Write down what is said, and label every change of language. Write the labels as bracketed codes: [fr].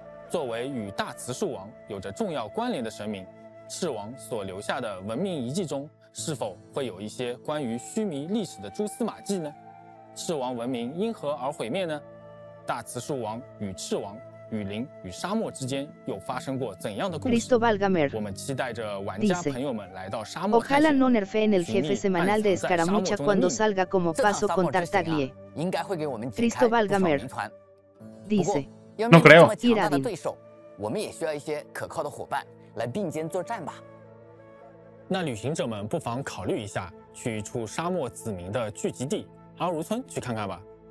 [zh] 作为与大慈树王有着重要关联的神明，赤王所留下的文明遗迹中是否会有一些关于须弥历史的蛛丝马迹呢？赤王文明因何而毁灭呢？大慈树王与赤王雨林与沙漠之间又发生过怎样的故事？我们期待着玩家朋友们来到沙漠探险。 [es] Ojalá no nerfeen el jefe semanal de Escaramucha cuando salga como paso con Tartaglia. [zh] 应该会给我们解开不少谜团。 [es] Dice. No creo. [zh] 这么强大的对手，我们也需要一些可靠的伙伴来并肩作战吧。那旅行者们不妨考虑一下，去一处沙漠子民的聚集地阿如村去看看吧。